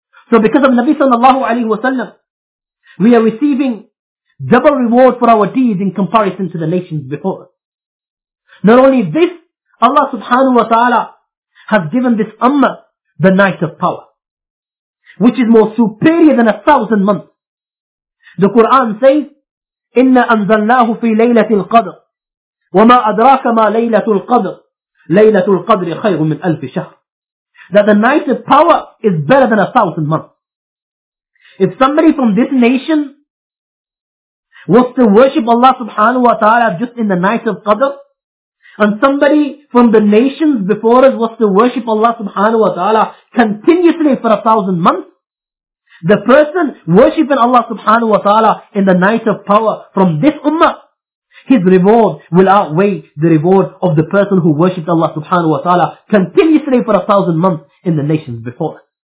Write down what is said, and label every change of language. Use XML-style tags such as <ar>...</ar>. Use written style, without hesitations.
<en>So because of Nabi sallallahu alayhi wa sallam, we are receiving double reward for our deeds in comparison to the nations before us. Not only this, Allah subhanahu wa ta'ala has given this ummah the night of power, which is more superior than 1,000 months. The Quran says,</en> <ar>إِنَّا أَنزَلْنَاهُ فِي لَيْلَةِ الْقَدْرِ وَمَا أَدْرَاكَ مَا لَيْلَةُ الْقَدْرِ لَيْلَةُ الْقَدْرِ خَيْرٌ مِنْ أَلْفِ شَهْرٍ.</ar> <en>That the night of power is better than 1,000 months. If somebody from this nation was to worship Allah subhanahu wa ta'ala just in the night of Qadr, and somebody from the nations before us was to worship Allah subhanahu wa ta'ala continuously for 1,000 months, the person worshipping Allah subhanahu wa ta'ala in the night of power from this ummah, his reward will outweigh the reward of the person who worshipped Allah subhanahu wa ta'ala continuously for 1,000 months in the nations before us.</en>